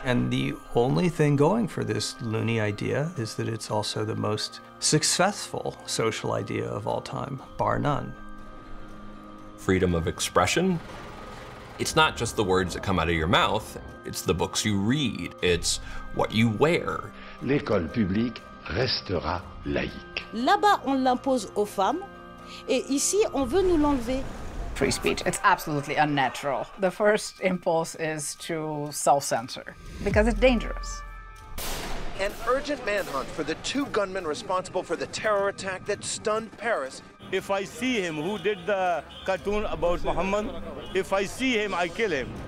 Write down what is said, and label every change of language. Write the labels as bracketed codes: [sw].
[en] And the only thing going for this loony idea is that it's also the most successful social idea of all time, bar none. Freedom of expression? It's not just the words that come out of your mouth, it's the books you read, it's what you wear. [fr] L'école publique restera laïque. Là-bas, on l'impose aux femmes, et ici, on veut nous l'enlever. [en] Free speech, it's absolutely unnatural. The first impulse is to self-censor, because it's dangerous. An urgent manhunt for the two gunmen responsible for the terror attack that stunned Paris. If I see him, who did the cartoon about Muhammad, if I see him, I kill him.